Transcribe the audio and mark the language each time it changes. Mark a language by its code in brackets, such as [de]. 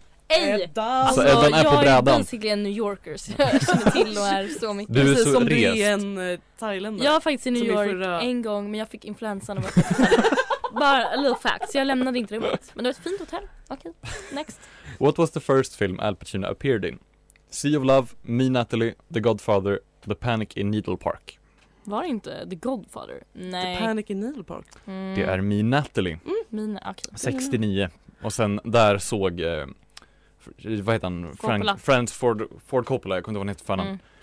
[sv] Alltså, Eddan är på brädan. Jag är basically en New Yorker, så jag känner till och är så mycket. Du är så som rest. Du är en thailändare. Jag var faktiskt i New York en gång, men jag fick influensan. Bara [en] a little fact, [sv] så jag lämnade inte rummet. Men det var ett fint hotell. Okej, next. [en] What was the first film Al Pacino appeared in? Sea of Love, Me, Natalie, The Godfather, The Panic in Needle Park. [sv] Var det inte The Godfather? Nej. The Panic in Needle Park. Mm. Det är Me, Natalie. Mm. Me, okay. 69. Och sen där såg... vad heter han? Ford Coppola. Jag kunde vara nätt förnamn.